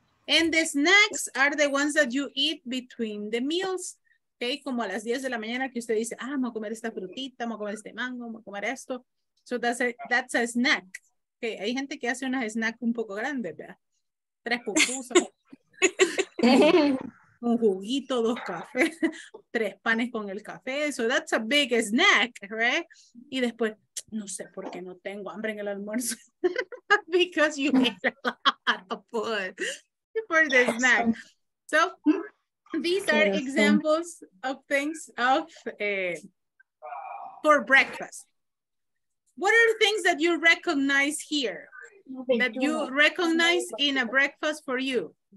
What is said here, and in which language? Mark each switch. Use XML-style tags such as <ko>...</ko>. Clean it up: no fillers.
<en>And the snacks are the ones that you eat between the meals.</en> <es>Okay, como a las 10 de la mañana que usted dice, ah, vamos a comer esta frutita, vamos a comer este mango, vamos a comer esto.</es> <en>So that's a snack. Okay,</en> <es>hay gente que hace unas snacks un poco grandes, ¿verdad? Tres pupusas. Un juguito, dos cafés, tres panes con el café.</es> <en>So that's a big snack, right?</en> <es>Y después, no sé por qué no tengo hambre en el almuerzo.</es> <en>Because you ate a lot of food for the snack. So these are examples of things of for breakfast. What are the things that you recognize here? That you recognize in a breakfast for you?</en>